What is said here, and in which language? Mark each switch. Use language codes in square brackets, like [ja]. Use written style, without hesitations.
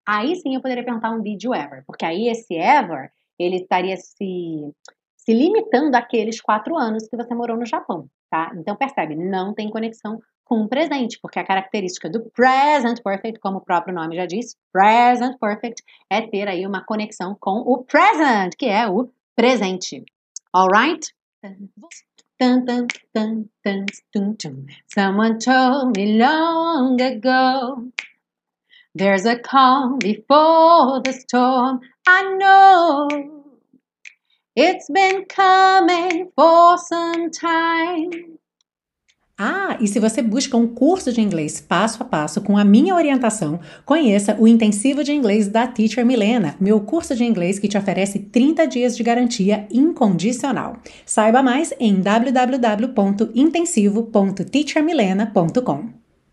[pt] Aí sim eu poderia perguntar um [en] did you ever. [pt] Porque aí esse ever, ele estaria se limitando àqueles 4 anos que você morou no Japão. Tá? Então percebe, não tem conexão com o presente. Porque a característica do present perfect, como o próprio nome já diz, present perfect, é ter aí uma conexão com o present, que é o presente. [en] All right? Dun, dun, dun, dun, dun, dun. Someone told me long ago, there's a calm before the storm. I know it's been coming for some time. [pt] Ah, e se você busca um curso de inglês passo a passo com a minha orientação, conheça o Intensivo de Inglês da Teacher Milena, meu curso de inglês que te oferece 30 dias de garantia incondicional. Saiba mais em www.intensivo.teachermilena.com.